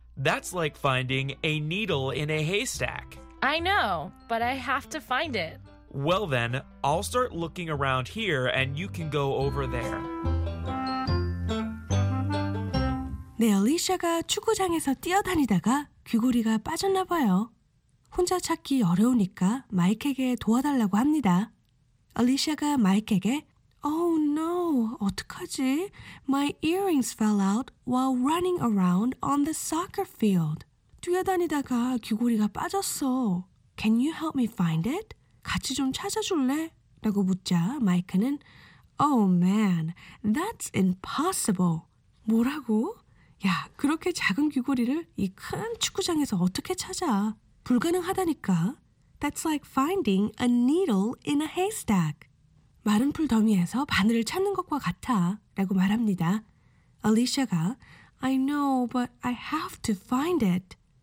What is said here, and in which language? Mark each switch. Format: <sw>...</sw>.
<en>That's like finding a needle in a haystack. I know, but I have to find it. Well then, I'll start looking around here and you can go over there.</en> <ko>네, 알리샤가 축구장에서 뛰어다니다가 귀걸이가 빠졌나 봐요. 혼자 찾기 어려우니까 마이크에게 도와달라고 합니다. 알리샤가 마이크에게</ko> <en>Oh no,</en> <ko>어떡하지?</ko> <en>My earrings fell out while running around on the soccer field.</en> <ko>뛰어다니다가 귀걸이가 빠졌어.</ko> <en>Can you help me find it?</en> <ko>같이 좀 찾아줄래? 라고 묻자 마이크는</ko> <en>Oh man, that's impossible.</en> <ko>뭐라고? 야, 그렇게 작은 귀걸이를 이 큰 축구장에서 어떻게 찾아? 불가능하다니까.</ko> <en>That's like finding a needle in a haystack.</en> <ko>마른 풀 더미에서 바늘을 찾는 것과 같아 라고 말합니다.</ko> <en>알리샤가 I know, but I have to find it.</en>